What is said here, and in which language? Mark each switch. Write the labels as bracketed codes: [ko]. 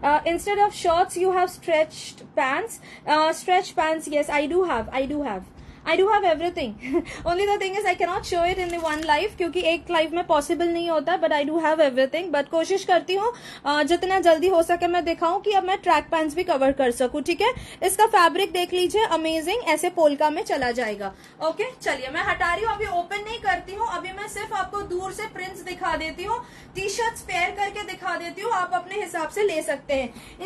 [en] Instead of shorts you have stretched pants, stretched pants, yes I do have, I do have, I do have everything. Only the thing is I cannot show it in the one life, [hi] क्योंकि एक life में possible नहीं होता, [en] but I do have everything. [hi] But कोशिश करती हूँ जितना जल्दी हो सके मैं दिखाऊं कि अब मैं track pants भी cover कर सकूं, ठीक है। इसका fabric देख लीजिए, amazing, ऐसे पोलका में चला जाएगा, ओके। चलिए मैं हटा रही हूँ, अभी ओपन नहीं करती हूँ, अभी मैं सिर्फ आपको दूर से प्रिंट्स दिखा देती हूँ, टी शर्ट्स पेयर करके दिखा देती हूँ, आप अपने हिसाब से ले सकते हैं।